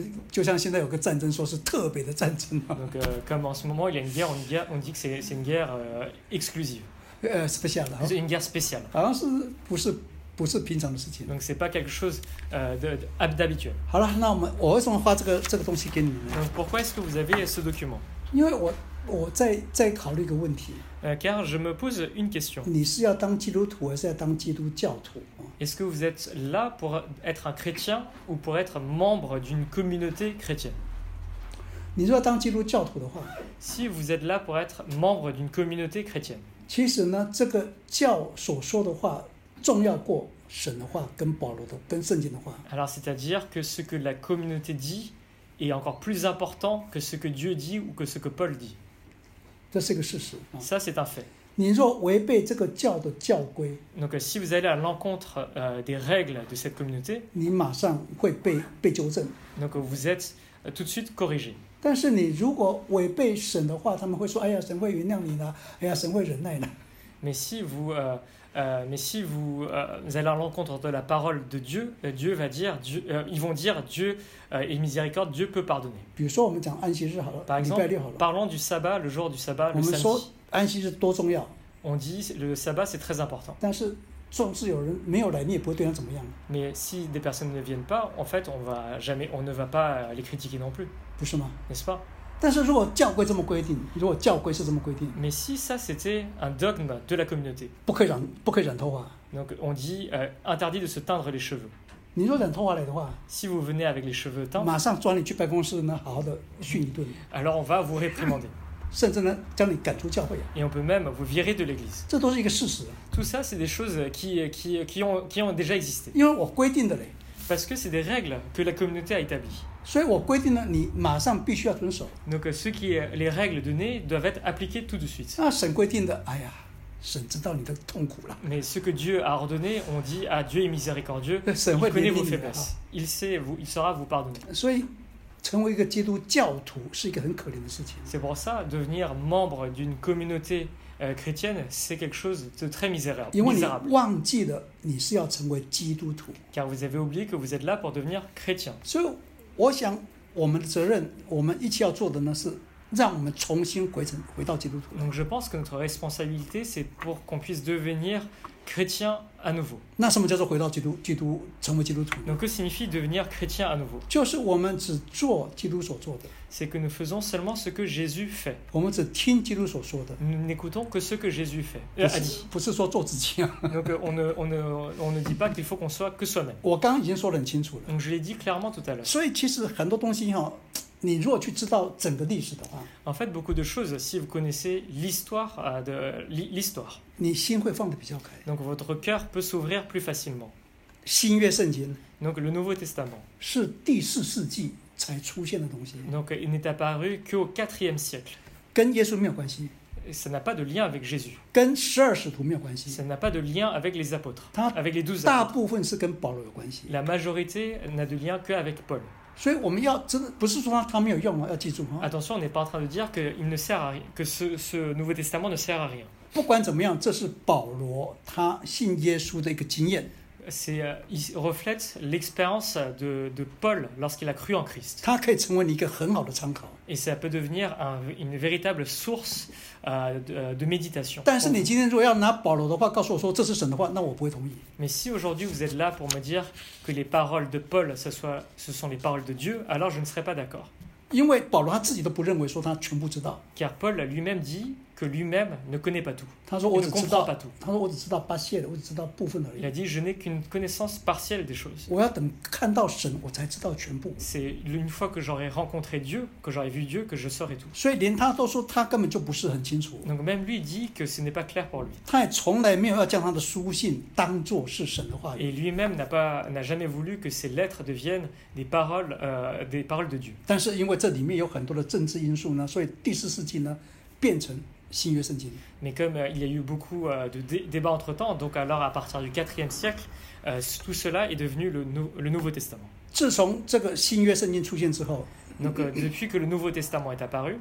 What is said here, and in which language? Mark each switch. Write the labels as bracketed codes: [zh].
[zh] 就像现在有个战争，说是特别的战争。 [fr] Donc comme en ce moment il y a une guerre, on dit que c'est une guerre exclusive. Spécial. C'est une guerre spéciale. [zh] 好像是不是平常的事情。 [fr] Donc c'est pas quelque chose d'habituel. [zh] 好了，那我为什么发这个东西给你们 [fr] ？Donc pourquoi est-ce que vous avez ce document？ [zh] 因为我在考虑一个问题。 [fr] Car je me pose une question. [zh] 你是要当基督徒还是要当基督教徒？ [fr] Est-ce que vous êtes là pour être un chrétien ou pour être membre d'une communauté chrétienne? [zh] 你是要当基督教徒的话， [fr] si vous êtes là pour être membre d'une communauté chrétienne. [zh] 其实呢，这个教所说的话重要过神的话跟保罗的跟圣经的话。 [fr] Alors c'est-à-dire que ce que la communauté dit est encore plus important que ce que Dieu dit ou que ce que Paul dit. [zh] 这是个事实。 [fr] Ça, c'est un fait. [zh] 你若违背这个教的教规， [fr] Donc, si vous allez à l'encontre, des règles de cette communauté, [zh] 你马上会被纠正。 [fr] Donc, vous êtes, tout de suite corrigé. [zh] 但是你如果违背神的话，他们会说，哎呀，神会原谅你的，哎呀，神会忍耐的。 [fr] Mais si vous, vous allez à l'encontre de la parole de Dieu, Dieu va dire, Dieu, ils vont dire, Dieu est miséricorde, Dieu peut pardonner. [zh] 比如说我们讲安息日好了， [fr] Par exemple, parlons du sabbat, le jour du sabbat, le samedi. [zh] 我们说安息日多重要。 [fr] On dit, le sabbat, c'est très important. [zh] 但是总是有人没有来，你也不会对他怎么样。 [fr] Mais si des personnes ne viennent pas, en fait, on ne va pas les critiquer non plus. [zh] 不是吗？ [fr] N'est-ce pas? [zh] 但是如果教规这么规定，如果教规是这么规定 [fr] ，Mais si ça c'était un dogme de la communauté， [zh] 不可以染头发。 [fr] Donc on dit interdit de se teindre les cheveux。 [zh] 你若染头发来的话 [fr] ，Si vous venez avec les cheveux teints， [zh] 马上抓你去办公室呢，好好的训一顿。 [fr] Alors on va vous réprimander， [zh] 甚至呢将你赶出教会。 [fr] Et on peut même vous virer de l'église。 [zh] 这都是一个事实。 [fr] Tout ça c'est des choses qui ont déjà existé。 [zh] 因为我规定的嘞。 [fr] Parce que c'est des règles que la communauté a établies. [zh] 所以我规定了你马上必须要遵守。 [fr] Donc ce qui est les règles données doivent être appliquées tout de suite. [zh] 那神规定的，哎呀，神知道你的痛苦了。 [fr] Mais ce que Dieu a ordonné, on dit, ah, Dieu est miséricordieux. Il connaît vos faiblesses. Il sait, il saura vous pardonner. [zh] 所以成为一个基督教徒是一个很可怜的事情。 [fr] C'est pour ça, devenir membre d'une communauté chrétienne, c'est quelque chose de très misérable. [zh] 因为你忘记了你是要成为基督徒。 [fr] Car vous avez oublié que vous êtes là pour devenir chrétien. [zh] 所以我想我们的责任，我们一起要做的呢，是让我们重新回到基督徒。 [fr] Donc je pense que notre responsabilité, c'est pour qu'on puisse devenir chrétien à nouveau. [zh] 那什么叫做回到基督，基督成为基督徒？ [fr] Donc que signifie devenir chrétien à nouveau？ [zh] 就是我们只做基督所做的。 [fr] C'est que nous faisons seulement ce que Jésus fait。 [zh] 我们只听基督所说的。 [fr] Nous n'écoutons que ce que Jésus fait。 [zh] 不是说做自己。 [fr] Donc on ne dit pas qu'il faut qu'on soit que soi-même。 [zh] 我刚刚已经说得很清楚了。 [fr] Donc je l'ai dit clairement tout à l'heure。 [zh] 所以其实很多东西哈。你如果去知道整个历史的话 [fr] ，En fait, beaucoup de choses, si vous connaissez l'histoire de l'histoire, [zh] 你心会放得比较开。 [fr] Donc votre cœur peut s'ouvrir plus facilement. [zh] 新约圣经 [fr] ，Donc le Nouveau Testament, [zh] 是第四世纪才出现的东西。 [fr] Donc il n'est apparu qu'au IVe siècle. [zh] 跟耶稣没有关系。 [fr] Ça n'a pas de lien avec Jésus. [zh] 跟十二使徒没有关系。 [fr] Ça n'a pas de lien avec les apôtres. [zh] 他 [fr] avec les douze [zh] apôtres. 大部分是跟保罗有关系。 [fr] La majorité n'a de lien qu'avec Paul. [zh] 所以我们要真的不是说他没有用啊，要记住啊。 [fr] Attention, on n'est pas en train de dire qu'il ne sert à rien, que ce Nouveau Testament ne sert à rien. [zh] 不管怎么样，这是保罗他信耶稣的一个经验。 [fr] C'est reflète l'expérience de Paul lorsqu'il a cru en Christ. [zh] 他可以成为一个很好的参考。 [fr] Et ça peut devenir une véritable source de méditation. [zh] 但是你今天如果要拿保罗的话告诉我说这是神的话，那我不会同意。 [fr] Mais si aujourd'hui vous êtes là pour me dire que les paroles de Paul ce sont les paroles de Dieu, alors je ne serais pas d'accord. [zh] 因为保罗他自己都不认为说他全部知道。 [fr] Car Paul lui-même dit que lui-même ne connaît pas tout. [zh] 他说我只知道 [fr] pas tout. [zh] 他说我只知道 partiel, 我只知道部分而已。 [fr] Il a dit je n'ai qu'une connaissance partielle des choses. [zh] 我要等看到神，我才知道全部。 [fr] C'est une fois que j'aurai rencontré Dieu, que j'aurai vu Dieu, que je saurai tout. [zh] 所以连他都说他根本就不是很清楚。 [fr] Donc même lui dit que ce n'est pas clair pour lui. [zh] 他也从来没有要将他的书信当作是神的话语。 [fr] Et lui-même n'a jamais voulu que ses lettres deviennent des paroles de Dieu. [zh] 但是因为这里面有很多的政治因素呢，所以第四世纪呢变成。 [fr] Mais comme il y a eu beaucoup de débats entre temps, donc alors à partir du IVe siècle, tout cela est devenu le Nouveau Testament. [zh] 自从这个新约圣经出现之后 [fr] donc depuis que le Nouveau Testament est apparu,